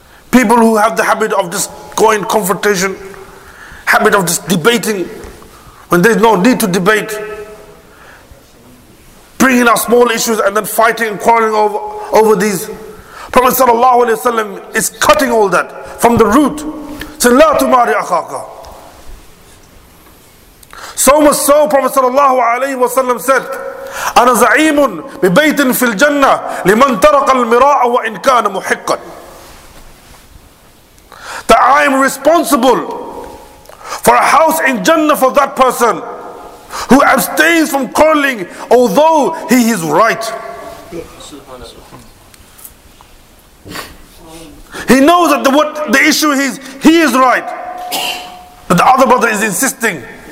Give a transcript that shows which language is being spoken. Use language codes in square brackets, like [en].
[en] People who have the habit of just going confrontation, habit of just debating when there's no need to debate, bringing up small issues and then fighting and quarreling over these. Prophet sallallahu alayhi wa sallam is cutting all that from the root. [ar] So لا تماري أخاك. [en] So much so, Prophet sallallahu alayhi wa sallam said, [ar] أنا زعيم ببيت في الجنة لمن ترك المراء وإن كان محقا. [en] That I am responsible for a house in Jannah for that person who abstains from quarreling although he is right. He knows that the issue is, he is right. But the other brother is insisting.